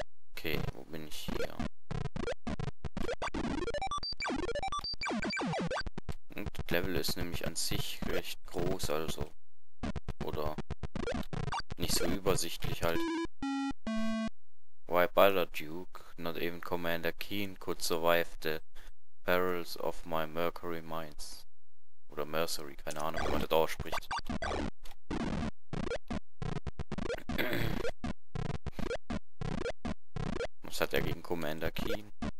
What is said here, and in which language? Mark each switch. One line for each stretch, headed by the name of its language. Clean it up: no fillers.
German: Okay, wo bin ich hier? Und das Level ist nämlich an sich recht groß, also. Oder nicht so übersichtlich halt.
English: Why bother, Duke? Not even Commander Keen could survive the perils of my Mercury Mines.
German: Oder Mercury, keine Ahnung, wie man das ausspricht. Was hat er gegen Commander Keen?